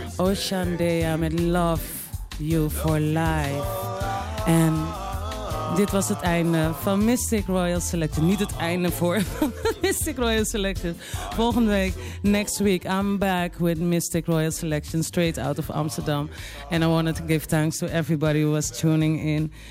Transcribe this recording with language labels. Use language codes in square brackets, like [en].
[en] Ocean Day, I'm in love you for life. [nl] En dit was het einde van Mystic Royal Selection. Niet het einde voor Mystic Royal Selection. Volgende week, [en] next week, I'm back with Mystic Royal Selection straight out of Amsterdam. And I wanted to give thanks to everybody who was tuning in.